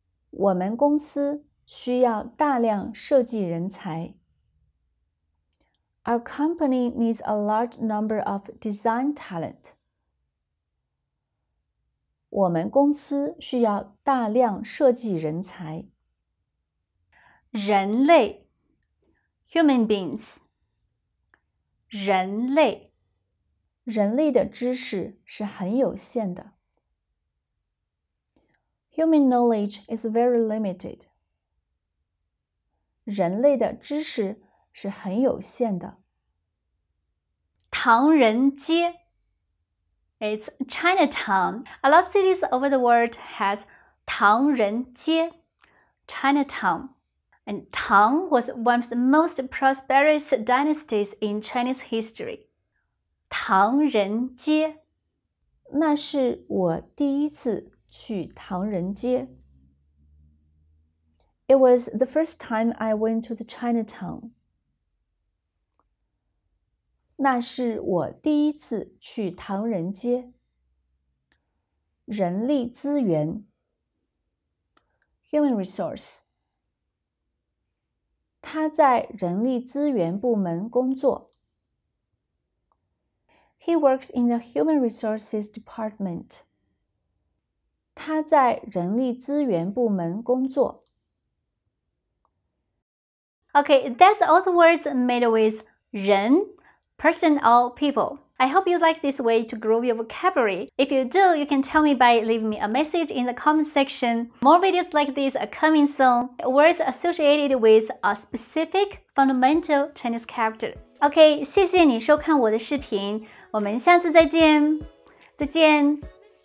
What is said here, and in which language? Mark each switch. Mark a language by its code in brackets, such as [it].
[zh] 我们公司需要大量设计人才。 [en] Our company needs a large number of design talent. [zh] 我们公司需要大量设计人才。 [en] 人类 human beings. 人类 [zh] 人类的知识是很有限的。 [en] Human knowledge is very limited. [zh] 人类的知识是很有限的。 [en] 唐人街 It's Chinatown. A lot of cities over the world has 唐人街 Chinatown. And Tang was one of the most prosperous dynasties in Chinese history. [zh] 唐人街那是我第一次去唐人街。 [en] It was the first time I went to the Chinatown. [zh] 那是我第一次去唐人街。 [en] 人力资源 Human resource. [zh] 他在人力资源部门工作。 [en] He works in the human resources department. [zh] 他在人力资源部门工作。 [en] Okay, that's all the words made with 人, person or people. I hope you like this way to grow your vocabulary. If you do, you can tell me by leaving me a message in the comment section. More videos like this are coming soon. Words associated with a specific fundamental Chinese character. Okay, [zh] 谢谢你收看我的视频。我们下次再见，再见。